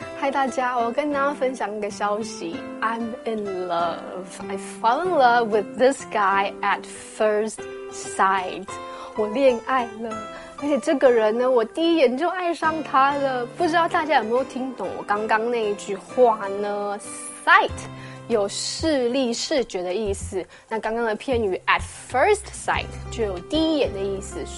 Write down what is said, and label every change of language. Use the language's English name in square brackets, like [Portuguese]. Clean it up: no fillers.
[Chinese] Hi, 大家，我跟大家分享一个消息。 [English] I'm in love. I fell in love with this guy at first sight. [Chinese] 我恋爱了，而且这个人呢，我第一眼就爱上他了。不知道大家有没有听懂我刚刚那一句话呢 ？Sight 有视力、视觉的意思，那刚刚的片语 at first sight 就有第一眼的意思。